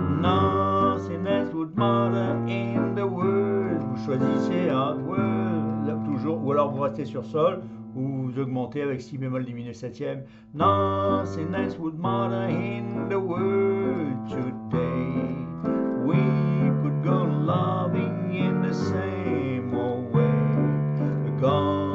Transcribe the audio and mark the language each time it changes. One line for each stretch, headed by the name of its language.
English: Nothing else would matter in the world.
French: Vous choisissez un word. Ou alors vous restez sur Sol ou vous augmentez avec Si bémol diminué septième.
English: Nothing else would matter in the world today. We could go loving in the same old way. The God